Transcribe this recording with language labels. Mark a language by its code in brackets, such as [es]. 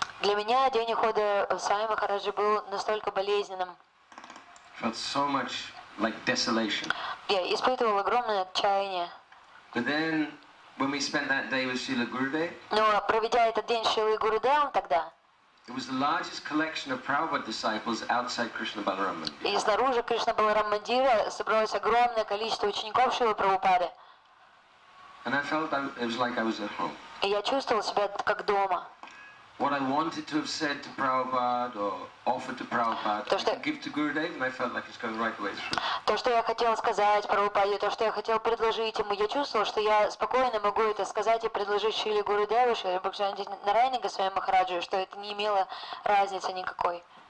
[ru] Для меня день ухода Свами Махараджа был настолько болезненным. [en] I felt so much like desolation. [ru] Я испытывал огромное отчаяние. [en] But then, when we spent that day with Srila Gurudev, [ru] но проведя этот день с Шрилой Гурудевом тогда, [en] It was the largest collection of Prabhupada disciples outside Krishna Balaram. [ru] И снаружи Кришна Баларам Мандира собралось огромное количество учеников Шрилы Прабхупады. [en] And I felt that it was like I was at home. [ru] И я чувствовал себя как дома. [en] What I wanted to have said to Prabhupada or offered to Prabhupada, [ru] то, что... [en] give to Gurudev, and I felt like it's going right away through. [ru] То, что я хотел сказать Прабхупаде, то, что я хотел предложить ему, я чувствовал, что я спокойно могу это сказать и предложить Шриле Гурудеву, Шриле Бхакти Нарайане Госвами Махараджу, что это не имело разницы никакой.